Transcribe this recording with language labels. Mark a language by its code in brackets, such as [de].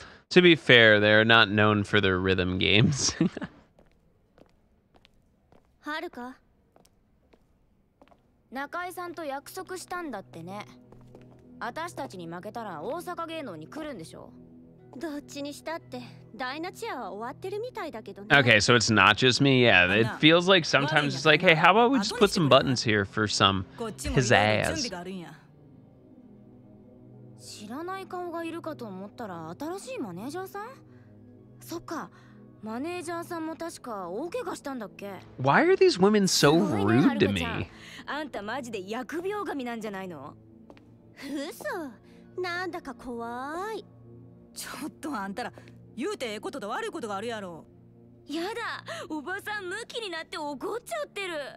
[en] To be fair, they're not known for their rhythm games. [ja] はるか。中井さんと約束したんだってね。私たちに負けたら大阪芸能に来るんでしょう。どっちにしたって、ダイナチアは終わってるみたいだけどね。 [en] Okay, so it's not just me. Yeah, it feels like sometimes it's like, hey, how about we just put some buttons here for some pizzazz? [ja] 知らない顔がいるかと思ったら新しいマネージャーさん？そっか、マネージャーさんも確か大怪我したんだっけ。 [en] Why are these women so rude to me? [ja] あんたマジで疫病神なんじゃないの？嘘、なんだか怖い。ちょっとあんたら、言うてええことと悪いことがあるやろ。やだ、おばさんムキになって怒っちゃってる。